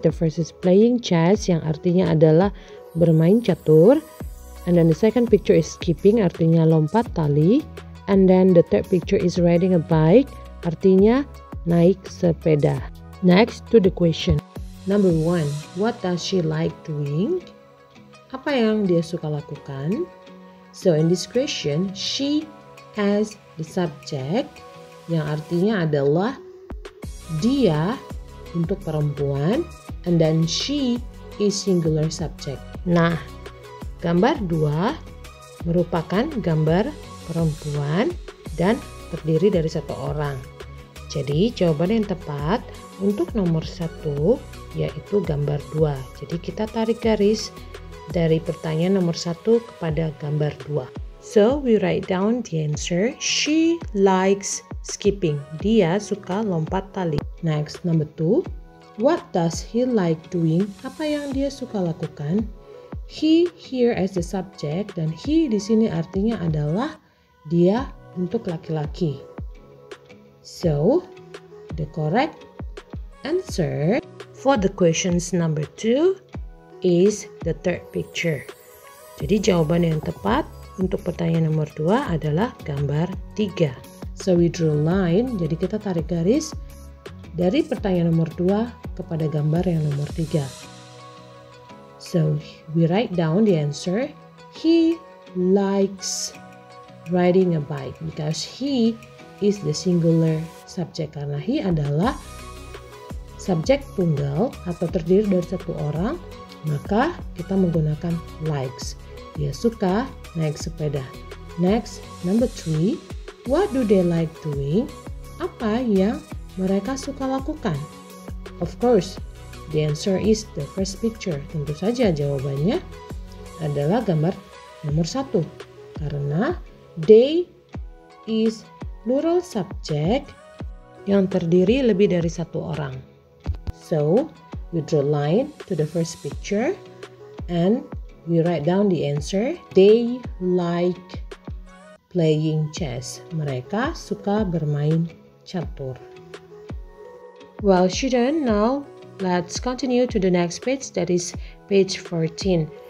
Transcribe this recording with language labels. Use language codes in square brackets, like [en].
[en] The first is playing chess, [id] yang artinya adalah bermain catur. [en] And then the second picture is skipping, [id] artinya lompat tali. [en] And then the third picture is riding a bike, [id] artinya naik sepeda. [en] Next to the question. Number 1, what does she like doing? [id] apa yang dia suka lakukan. [en] So in this question, she has the subject, [id] yang artinya adalah dia untuk perempuan, [en] and then she is singular subject. [id] Nah, gambar 2 merupakan gambar perempuan dan terdiri dari satu orang. Jadi jawaban yang tepat untuk nomor 1 yaitu gambar 2. Jadi kita tarik garis dari pertanyaan nomor 1 kepada gambar 2. [en] So we write down the answer. She likes skipping. [id] Dia suka lompat tali. [en] Next, number 2. What does he like doing? [id] Apa yang dia suka lakukan? [en] He here as the subject, [id] dan he di sini artinya adalah dia untuk laki-laki. [en] So, the correct answer for the questions number 2 is the third picture. [id] Jadi jawaban yang tepat untuk pertanyaan nomor 2 adalah gambar 3. [en] So we draw line, [id] jadi kita tarik garis dari pertanyaan nomor 2 kepada gambar yang nomor 3. [en] So we write down the answer. He likes riding a bike because he is the singular subject, [id] karena he adalah subjek tunggal atau terdiri dari satu orang, maka kita menggunakan likes. Dia suka naik sepeda. [en] Next, number 3. What do they like doing? [id] Apa yang mereka suka lakukan? [en] Of course, the answer is the first picture. [id] Tentu saja jawabannya adalah gambar nomor 1. Karena they is plural subject yang terdiri lebih dari satu orang. [en] So, we draw line to the first picture and we write down the answer. They like playing chess. [id] Mereka suka bermain catur. [en] Well, children, now let's continue to the next page, that is page 14.